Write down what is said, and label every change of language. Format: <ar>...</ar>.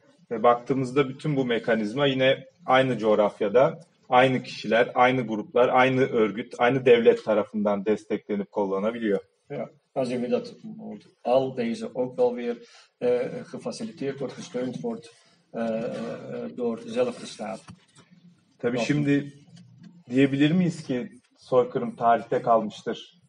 <tr>Ve baktığımızda bütün bu mekanizma yine aynı coğrafyada, aynı kişiler, aynı gruplar, aynı örgüt, aynı devlet tarafından desteklenip kullanabiliyor.</tr> <nl>Ja, dan zien we dat al deze ook wel weer gefaciliteerd wordt, gesteund wordt door dezelfde staat.</nl> <tr>Tabii şimdi diyebilir miyiz ki soykırım tarihte kalmıştır?</tr>